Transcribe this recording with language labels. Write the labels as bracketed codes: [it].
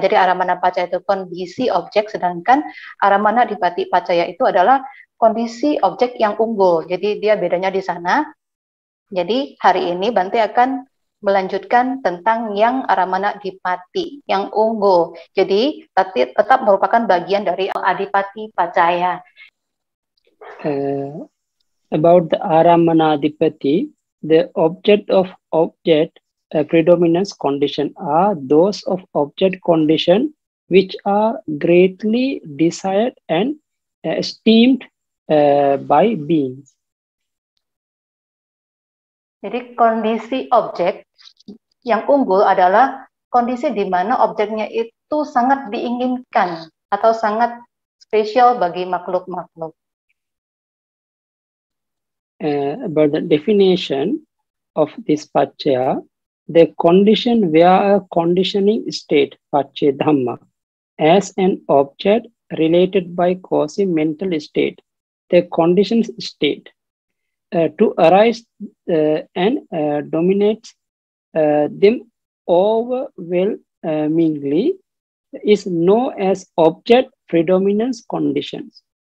[id] Jadi Aramana Pachaya itu kondisi objek, sedangkan Aramana Dhipati Pachaya itu adalah kondisi objek yang unggul. Jadi dia bedanya di sana. Jadi hari ini Bante akan melanjutkan tentang yang Aramana Dhipati, yang unggul. Jadi tetap merupakan bagian dari Adhipati Pachaya. [en] About the Aramana Dhipati, the object of object predominance condition are those of object condition which are greatly desired and esteemed by beings. [id] Jadi kondisi objek yang unggul adalah kondisi di mana objeknya itu sangat diinginkan atau sangat spesial bagi makhluk-makhluk. [en] About the definition of this pachaya, the condition via a conditioning state, pachya dhamma, as an object related by causing mental state, the conditioned state, to arise and dominate them overwhelmingly, is known as object predominance conditions.